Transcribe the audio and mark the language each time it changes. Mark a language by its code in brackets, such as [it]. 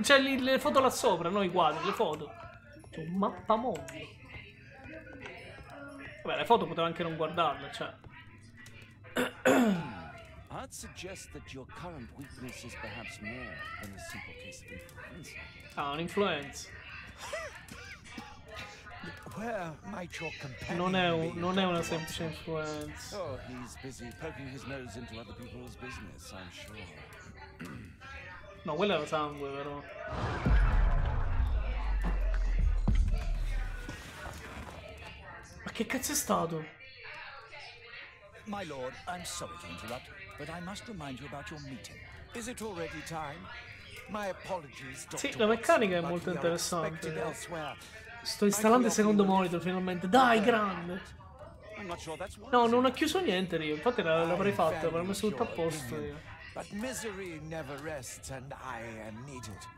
[it] C'è le foto là sopra, no? I quadri, le foto. C'è un mappamondo. Vabbè, le foto potevo anche non guardarle, cioè. [en] I'd suggest that your current weakness is perhaps more than a simple case of influenza. [it] Ah, un'influenza. [en] Where might your companion [it] non è una semplice influenza. [en] Oh, he's busy poking his nose into other people's business, I'm sure. [it] No, quella era sangue, però. Che cazzo è stato? [en] My lord, I'm sorry to interrupt, but I must remind you about your meeting. Is it already time? My apologies, Dr. [it] Sì, la meccanica è molto interessante. Sto installando il secondo monitor finalmente. Dai, grande! No, non ho chiuso niente io, infatti l'avrei fatto, l'avrei messo tutto a posto io. [en] But misery never rests and I am needed.